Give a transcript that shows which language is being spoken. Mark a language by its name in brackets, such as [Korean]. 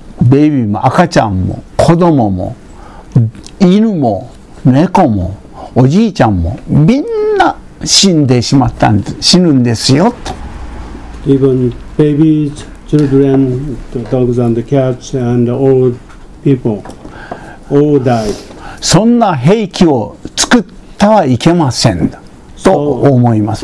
[Japanese] ベイビーも赤ちゃんも子供も犬も猫もおじいちゃんもみんな死んでしまったんです、死ぬんですよと。 [English] Even babies, children, dogs and cats and old people all died. [Japanese] そんな兵器を作ったはいけませんと思います。